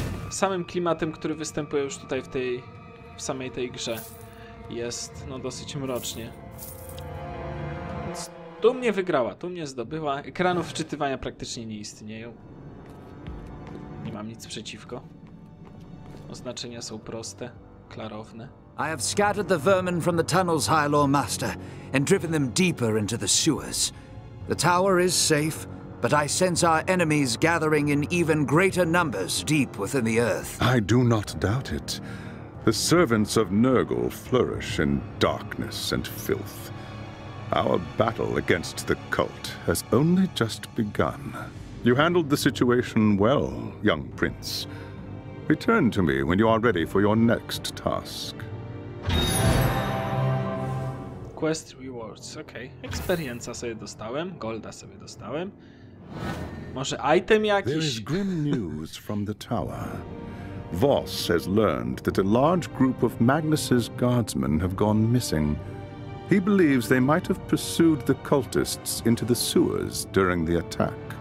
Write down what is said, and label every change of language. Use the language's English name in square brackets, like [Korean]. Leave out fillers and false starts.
[Polish] Samym klimatem, który występuje już tutaj w samej tej grze, jest no dosyć mrocznie. Więc tu mnie wygrała, tu mnie zdobyła. Ekranów wczytywania praktycznie nie istnieją. Nie mam nic przeciwko. Oznaczenia są proste, klarowne. [English] I have scattered the vermin from the tunnels, High Lord Master, and driven them deeper into the sewers. The tower is safe, but I sense our enemies gathering in even greater numbers deep within the earth. I do not doubt it. The servants of Nurgle flourish in darkness and filth. Our battle against the cult has only just begun. You handled the situation well, young prince. Return to me when you are ready for your next task. Quest rewards, okej. Okay. [Polish] Eksperienca sobie dostałem, golda sobie dostałem. Może item jakiś? [English] There is grim news from the tower. Voss has learned that a large group of Magnus's guardsmen have gone missing. He believes they might have pursued the cultists into the sewers during the attack.